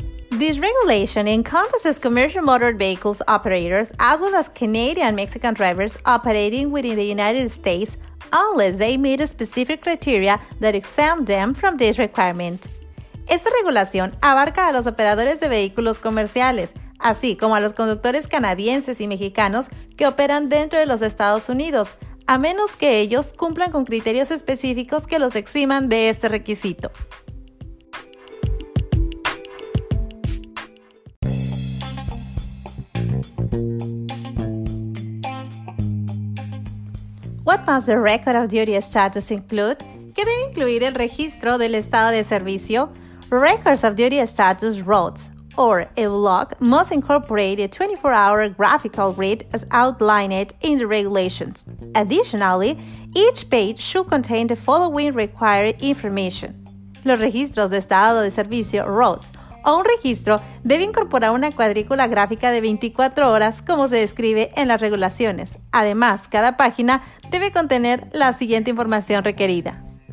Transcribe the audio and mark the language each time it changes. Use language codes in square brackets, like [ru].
[en] This regulation encompasses commercial motor vehicles operators as well as Canadian-Mexican drivers operating within the United States unless they meet a specific criteria that exempt them from this requirement. [es] Esta regulación abarca a los operadores de vehículos comerciales, así como a los conductores canadienses y mexicanos que operan dentro de los Estados Unidos, a menos que ellos cumplan con criterios específicos que los eximan de este requisito. [en] What must the record of duty status include? [es] ¿Qué debe incluir el registro del estado de servicio? [en] Records of duty status roads, or a log, must incorporate a 24-hour graphical grid as outlined in the regulations. Additionally, each page should contain the following required information. [es] Los registros de estado de servicio roads o un registro debe incorporar una cuadrícula gráfica de 24 horas como se describe en las regulaciones. Además, cada página debe contener la siguiente información requerida.